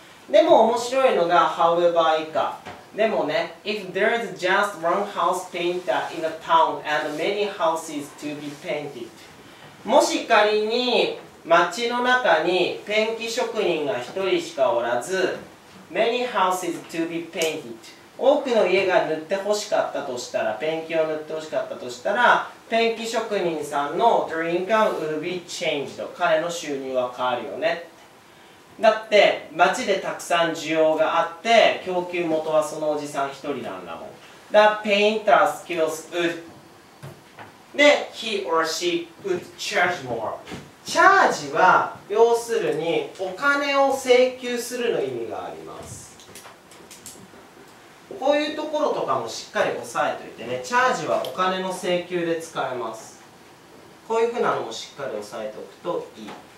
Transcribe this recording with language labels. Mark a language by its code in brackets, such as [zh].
[ja] でも面白いのが However 以下でもね、 [en] If there is just one house painter in a town and many houses to be painted、 [ja] もし仮に街の中にペンキ職人が一人しかおらず、 [en] many houses to be painted、 [ja] 多くの家が塗ってほしかったとしたら、ペンキを塗ってほしかったとしたら、ペンキ職人さんの [en] income will be changed、 [ja] 彼の収入は変わるよね。だって街でたくさん需要があって、供給元はそのおじさん一人なんだもん。 [en] The painter's skills would、 で he or she would charge more。 [ja] チャージは要するにお金を請求するの意味があります。こういうところとかもしっかり押さえておいてね。チャージはお金の請求で使えます。こういうふうなのもしっかり押さえておくといい。